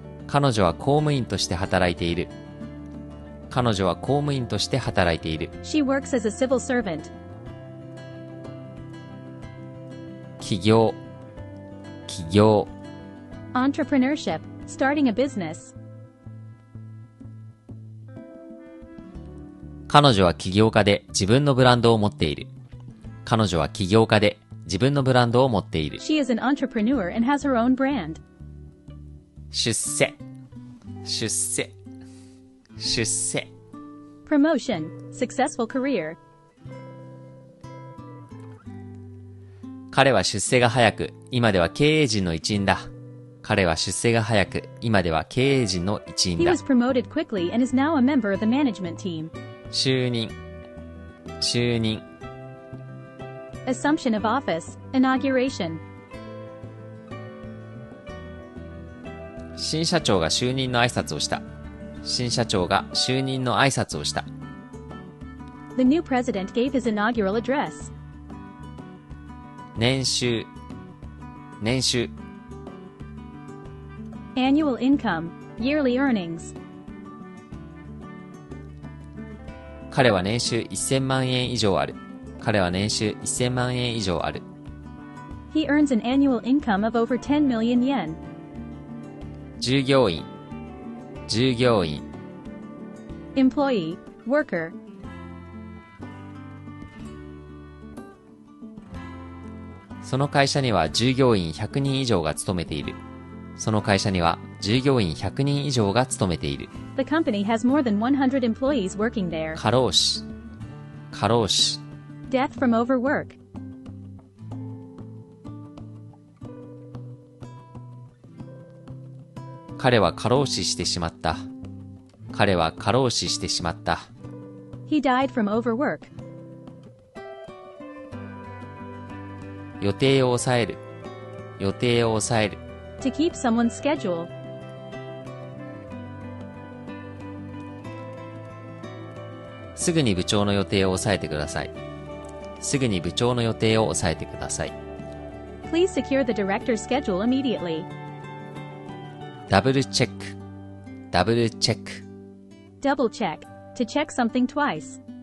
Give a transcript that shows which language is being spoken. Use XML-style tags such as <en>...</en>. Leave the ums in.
<ja>彼女は公務員として働いている。彼女は公務員として働いている。</ja> <en>She works as a civil servant.</en> <ja>起業起業</ja> <en>Entrepreneurship, starting a business.</en> <ja>彼女は起業家で自分のブランドを持っている。彼女は起業家で自分のブランドを持っている。</ja> <en>She is an entrepreneur and has her own brand.</en> <ja>出世出世出世</ja> <en>promotion successful career</en> <ja>彼は出世が早く今では経営陣の一員だ彼は出世が早く今では経営陣の一員だ</ja> <en>He was promoted quickly and is now a member of the management team</en> <ja>就任就任</ja> <en>assumption of office inauguration of</en> <ja>新社長が就任の挨拶をした。新社長が就任の挨拶をした。</ja> <en>The new president gave his inaugural address.</en> <ja>年収年収</ja> <en>annual income yearly earnings</en> <ja>彼は年収1000万円以上ある彼は年収1000万円以上ある</ja> <en>He earns an annual income of over 10 million yen 10 million yen</en> <ja>従業員従業員</ja> <en>employee worker</en> <ja>従業員その会社には従業員100人以上が勤めているその会社には従業員100人以上が勤めている</ja> <en>The company has more than 100 employees working there</en> <ja>過労死過労死</ja> <en>death from overwork</en> <ja>彼は過労死してしまった。彼は過労死してしまった。</ja> <en>He died from overwork.</en> <ja>予定を抑える。予定を抑える。</ja> <en>To keep someone's schedule.</en> <ja>予定を抑えてください。すぐに部長の予定を抑えてください。すぐに部長の予定を抑えてください。</ja> <en>Please secure the director's schedule immediately.</en> <ja>ダブルチェック、ダブルチェック。</ja> <en>Double check, to check something twice.</en>